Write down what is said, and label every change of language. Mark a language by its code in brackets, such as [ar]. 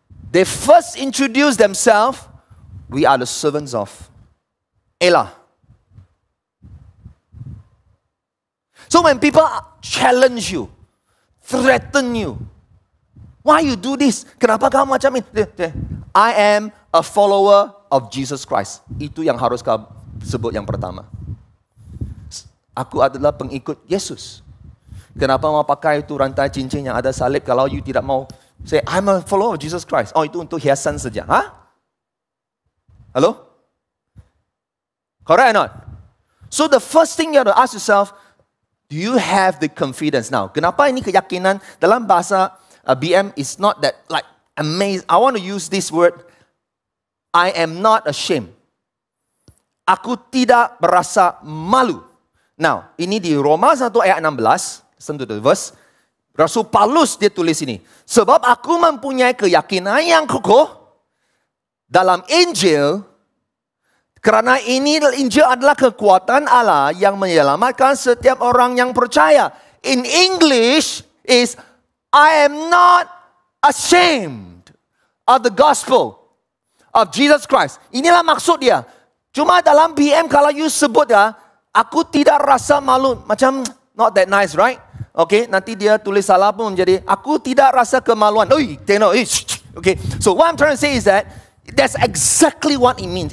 [en] They first introduce themselves, we are the servants of Allah. So when people challenge you, threaten you, why you do this? [ms] Kenapa kau macam ini? [en] I am a follower of Jesus Christ. [ms] Itu yang harus kau sebut yang pertama. Aku adalah pengikut Yesus. Kenapa mau pakai itu rantai cincin yang ada salib kalau you tidak mau say, [en] I'm a follower of Jesus Christ. [ms] Oh, itu untuk hiasan saja. Ha? Hello? [en] Correct or not? So the first thing you have to ask yourself, do you have the confidence now? [ms] Kenapa ini keyakinan dalam bahasa BM [en] is not that like amazing. I want to use this word. I am not ashamed. [ms] Aku tidak berasa malu. Now, ini di Roma 1 ayat 16. [en] Listen to the verse. [ms] Rasul Paulus dia tulis ini. Sebab aku mempunyai keyakinan yang kukuh dalam Injil. Karena ini Injil adalah kekuatan Allah yang menyelamatkan setiap orang yang percaya. [en] In English is, I am not ashamed of the gospel of Jesus Christ. [ms] Inilah maksud dia. Cuma dalam BM kalau you sebut ya, aku tidak rasa malu. Macam [en] not that nice, right? [ms] Okay, nanti dia tulis salah pun jadi, aku tidak rasa kemaluan. Oi, tengok. [en] Okay, so what I'm trying to say is that, that's exactly what it means.